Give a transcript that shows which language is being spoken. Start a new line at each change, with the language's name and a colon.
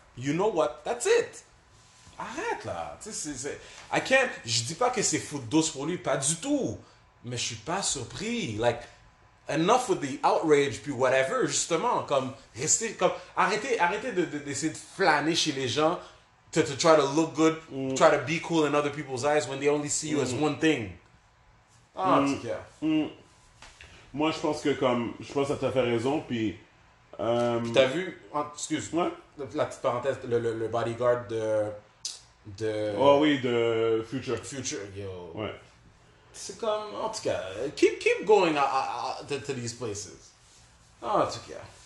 English: You know what? That's it.
French: Arrête là. Tu sais, c'est.
English: I can't.
French: Je dis pas que c'est foutre d'os pour lui, pas du tout. Mais je suis pas surpris.
English: Like, enough with the outrage, puis whatever, justement.
French: Comme, restez. Comme, arrêtez d'essayer de flâner chez les gens.
English: To try to look good, try to be cool in other people's eyes when they only see you as one thing.
French: Moi, je pense que comme, je pense que t'as fait raison, puis. T'as vu, excuse-moi, la petite parenthèse, le bodyguard de. Oh oui, de Future.
English: Future, yo.
French: Ouais. C'est comme, en tout cas,
English: keep going to these places.
French: En tout cas.